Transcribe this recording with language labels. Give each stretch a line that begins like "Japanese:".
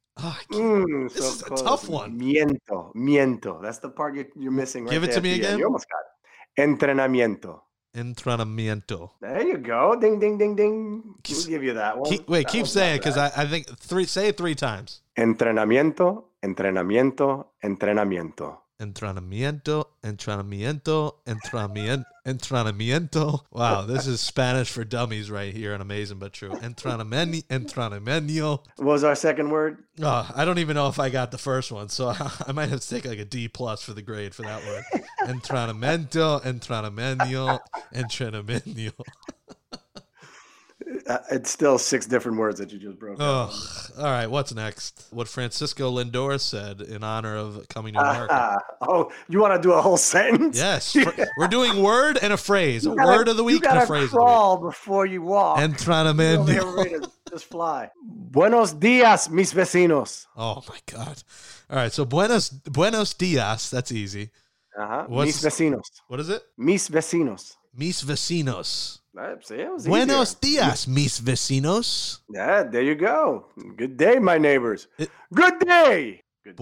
English: So this is close. A tough one.
Spanish: Miento. Miento.
English: That's the part you're missing. Give right it to me again. End. You almost got it. Entrenamiento.
Spanish: Entrenamiento.
English: There you go. Ding, ding, ding, ding. We'll give you that one. Keep saying it because I think say it three times.
Spanish: Entrenamiento, entrenamiento, entrenamiento. Entrenamiento, entrenamiento, entrenamiento.
English: Wow, this is Spanish for dummies right here and Amazing But True.
Spanish: Entrenamiento.
English: What was our second word? Oh, I don't even know if I got the first one, so I might have to take like a D+ for the grade for that word. Entrenamiento, entrenamiento, entrenamiento. It's still six different words that you just broke. Ugh. All right, what's next? What Francisco Lindor said in honor of coming to America. Oh, you want to do a whole sentence? Yes. We're doing word and a phrase. A word of the week and a phrase. You gotta crawl before you walk.
Spanish: Entrenamiento.
English: Just fly.
Spanish: Buenos dias, mis vecinos.
English: Oh, my God. All right, so
Spanish: buenos dias,
English: that's easy.
Spanish: Uh-huh. Mis vecinos.
English: What is it?
Spanish: Mis vecinos. Mis vecinos.
English: See,
Spanish: buenos
English: easier.
Spanish: Dias, mis vecinos.
English: Yeah, there you go. Good day, my neighbors. Good day. Good day